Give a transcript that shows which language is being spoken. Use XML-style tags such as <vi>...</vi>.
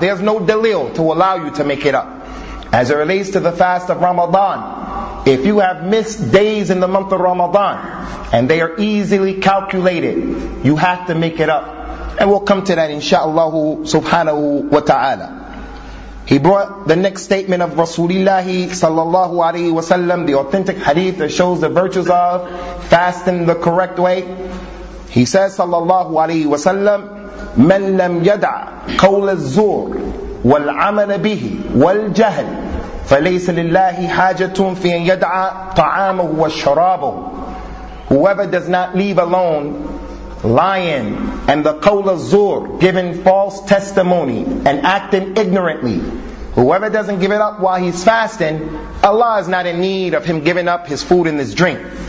<en>There's no dalil to allow you to make it up. As it relates to the fast of Ramadan, if you have missed days in the month of Ramadan, and they are easily calculated, you have to make it up. And we'll come to that inshaAllah subhanahu wa ta'ala. He brought the next statement of Rasulullah sallallahu alayhi wa sallam, the authentic hadith that shows the virtues of fasting the correct way. He says sallallahu alayhi wa sallam,</en> <ar>من لم يدع قول الزور والعمل به والجهل فليس لله حاجة في أن يدع طعامه وشرابه.</ar> <en>Whoever does not leave alone lying and the qawl al-zur, giving false testimony and acting ignorantly, whoever doesn't give it up while he's fasting, Allah is not in need of him giving up his food and his drink.</en>